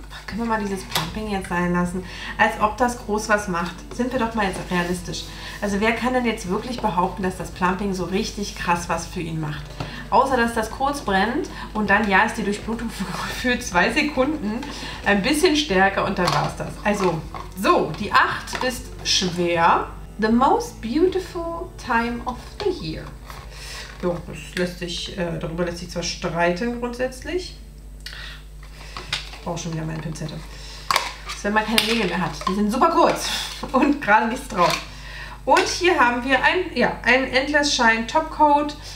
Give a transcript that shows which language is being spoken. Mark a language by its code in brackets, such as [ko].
[de] Können wir mal dieses Plumping jetzt sein lassen? Als ob das groß was macht. Sind wir doch mal jetzt realistisch. Also wer kann denn jetzt wirklich behaupten, dass das Plumping so richtig krass was für ihn macht? Außer, dass das kurz brennt und dann, ja, ist die Durchblutung für 2 Sekunden ein bisschen stärker und dann war es das. Also, so, die 8 ist schwer. [en] The most beautiful time of the year. [de] Jo, das lässt sich, darüber lässt sich zwar streiten grundsätzlich. Auch schon wieder meine Pinzette. Das, wenn man keine Nägel mehr hat. Die sind super kurz und gerade nichts drauf. Und hier haben wir ein, ja, ein Endless Shine Top Coat.